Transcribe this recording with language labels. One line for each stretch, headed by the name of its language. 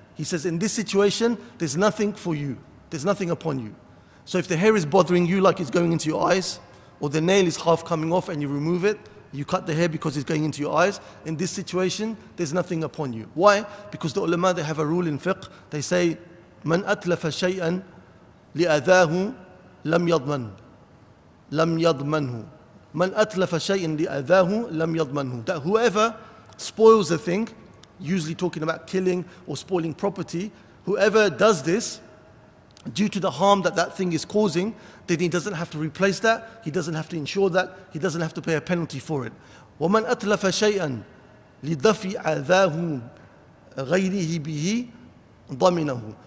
English: He says, in this situation, there's nothing for you. There's nothing upon you. So if the hair is bothering you, like it's going into your eyes, or the nail is half coming off and you remove it, you cut the hair because it's going into your eyes, in this situation, there's nothing upon you. Why? Because the ulama, they have a rule in fiqh.
Arabic: They say, مَنْ أَتْلَفَ شَيْئًا لِأَذَاهُ لَمْ يَضْمَنْ لَمْ يَضْمَنْهُ مَنْ أَتْلَفَ شَيْئًا لِأَذَاهُ لَمْ يَضْمَنْهُ.
English: That whoever spoils a thing, usually talking about killing or spoiling property, whoever does this, due to the harm that that thing is causing, then he doesn't have to replace that, he doesn't have to insure that, he doesn't have to pay a penalty for it.
Arabic: وَمَنْ أَتْلَفَ شَيْئًا لِدَفِي عَذَاهُ غَيْرِهِ بِهِ ضَمِنَهُ.